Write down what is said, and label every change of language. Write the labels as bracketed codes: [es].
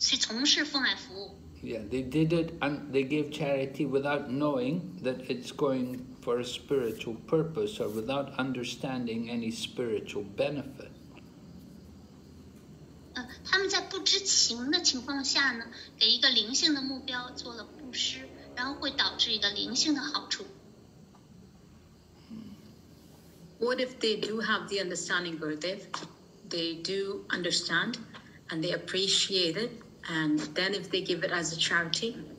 [en] Yeah, they did it and they gave charity without knowing that it's going for a spiritual purpose or without understanding any spiritual benefit. [zh] 他们在不知情的情况下呢，给一个灵性的目标做了布施，然后会导致一个灵性的好处。 [en] What if they do have the understanding, Gurudev? They do understand and they appreciate it. And then if they give it as a charity?